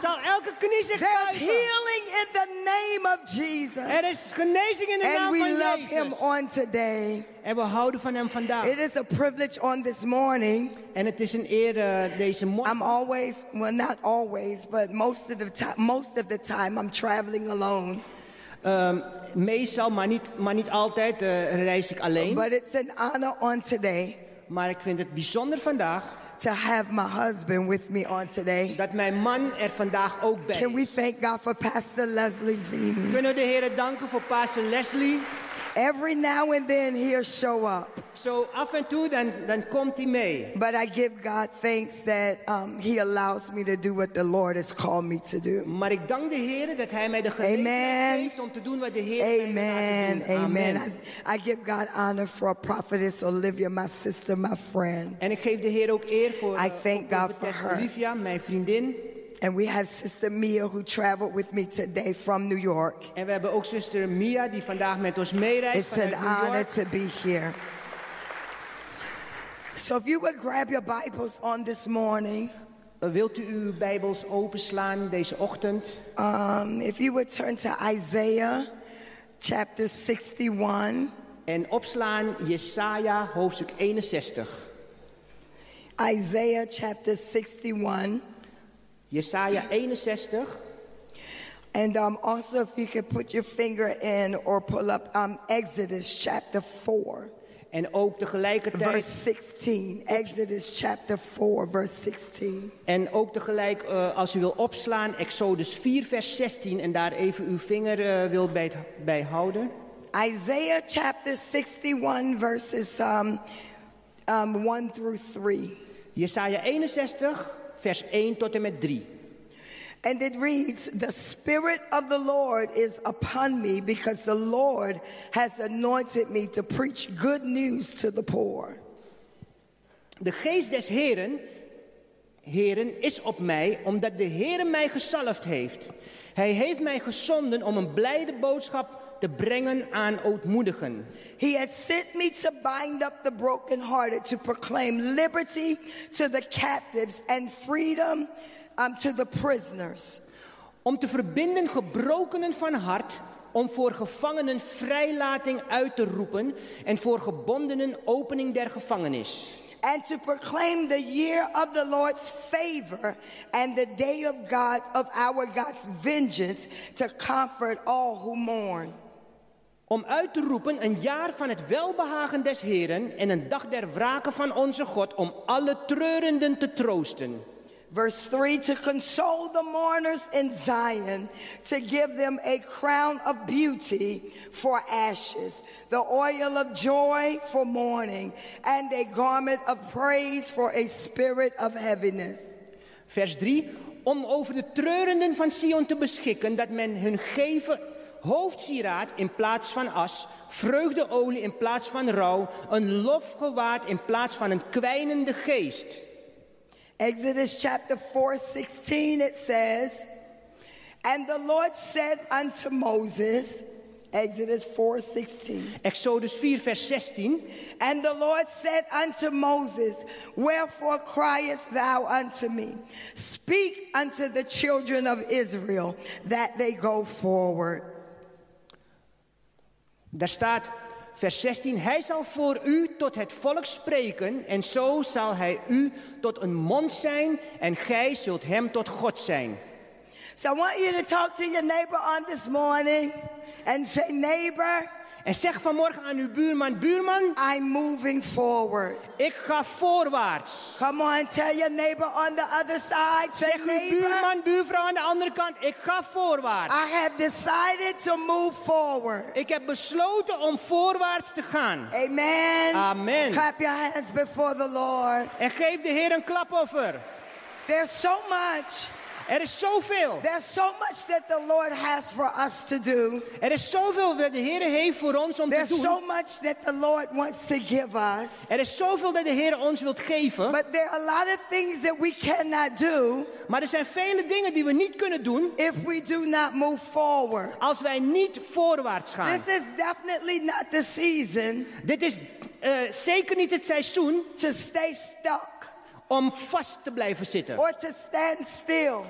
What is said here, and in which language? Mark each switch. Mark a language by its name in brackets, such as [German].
[Dutch] Zal elke knie zich buigen. [English] There's healing in the name of Jesus. [Dutch] Er is genezing in de [English] And [Dutch] naam van Jezus. [English] And we love him on today. [Dutch] En we houden van hem vandaag. [English] It is a privilege on this morning. [Dutch] En het is een eer deze morgen. [English] I'm always, well not always, but most of the time I'm traveling alone. [Dutch] meestal, maar niet altijd, reis ik alleen. [English] But it's an honor on today. [Dutch] Maar ik vind het bijzonder vandaag. [English] To have my husband with me on today. [Dutch] Dat mijn man er vandaag ook bij is. [English] Can we thank God for Pastor Leslie Vini? [Dutch] Kunnen we de Heer danken voor Pastor Leslie? [English] Every now and then he'll show up. [Dutch] So af en toe dan komt hij mee. [English] But I give God thanks that he allows me to do what the Lord has called me to do. [Dutch] Maar ik dank de Heer dat hij mij de gelegenheid geeft om te doen wat de Heer mij laat doen. [English] Amen. I give God honor for a prophetess Olivia, my sister, my friend. [Dutch] En ik geef de Heer ook eer voor [English] I thank God for her. [Dutch] Olivia, mijn vriendin. [English] And we have Sister Mia who traveled with me today from New York. [Dutch] En we hebben ook Sister Mia die vandaag met ons meereist vanuit [English] New York. It's an honor to be here. So if you would grab your Bibles on this morning. [Dutch] Wilt u uw Bijbels openslaan deze ochtend? [English] If you would turn to Isaiah chapter 61. [Dutch] En opslaan Jesaja hoofdstuk 61. [English] Isaiah chapter 61. [Dutch] Jesaja 61. [English] And also if you could put your finger in or pull up Exodus chapter 4. [Dutch] En ook tegelijkertijd [English] verse 16. Exodus chapter 4 verse 16. [Dutch] En ook tegelijk als u wil opslaan Exodus 4 vers 16 en daar even uw vinger wil bij houden. [English] Isaiah chapter 61 verses 1 through 3. [Dutch] Jesaja 61 vers 1 tot en met 3. [English] And it reads, the Spirit of the Lord is upon me because the Lord has anointed me to preach good news to the poor. [Dutch] De geest des Heren is op mij omdat de Heere mij gezalfd heeft. Hij heeft mij gezonden om een blijde boodschap te brengen aan ootmoedigen. [English] He has sent me to bind up the brokenhearted, to proclaim liberty to the captives and freedom to the prisoners. [Dutch] Om te verbinden gebrokenen van hart, om voor gevangenen vrijlating uit te roepen en voor gebondenen opening der gevangenis. [English] And to proclaim the year of the Lord's favor and the day of God of our God's vengeance to comfort all who mourn. [Dutch] Om uit te roepen een jaar van het welbehagen des Heren en een dag der wraken van onze God om alle treurenden te troosten. [English] Verse 3, to console the mourners in Zion, to give them a crown of beauty for ashes, the oil of joy for mourning, and a garment of praise for a spirit of heaviness. [Dutch] Vers 3, om over de treurenden van Sion te beschikken, dat men hun geven hoofdsieraad in plaats van as, vreugdeolie in plaats van rouw, een lofgewaad in plaats van een kwijnende geest. [English] Exodus chapter 4:16, it says, and the Lord said unto Moses, Exodus 4:16. [Dutch] Exodus 4 vers 16. [English] And the Lord said unto Moses, wherefore criest thou unto me? Speak unto the children of Israel that they go forward. [Dutch] Daar staat vers 16, hij zal voor u tot het volk spreken en zo zal hij u tot een mond zijn en gij zult hem tot God zijn. [English] So I want you to talk to your neighbor on this morning and say, neighbor. [Dutch] En zeg vanmorgen aan uw buurman. [English] I'm moving forward. [Dutch] Ik ga voorwaarts. [English] Come on, tell your neighbor on the other side. [Dutch] Zeg uw buurman, buurvrouw aan de andere kant. Ik ga voorwaarts. [English] I have decided to move forward. [Dutch] Ik heb besloten om voorwaarts te gaan. [English] Amen. Amen. Clap your hands before the Lord. [Dutch] En geef de Heer een klapoffer. [English] There's so much. [Dutch] Er is zoveel. [English] There's so much that the Lord has for us to do. [Dutch] Er is zoveel dat de Heer heeft voor ons om [English] there's [Dutch] te doen. [English] There's so much that the Lord wants to give us. [Dutch] Er is zoveel dat de Heer ons wilt geven. [English] But there are a lot of things that we cannot do. [Dutch] Maar er zijn vele dingen die we niet kunnen doen. [English] If we do not move forward. [Dutch] Als wij niet voorwaarts gaan. [English] This is definitely not the season. [Dutch] Dit is zeker niet het seizoen. [English] To stay stuck. [Dutch] Om vast te blijven zitten. [English] Or to stand still.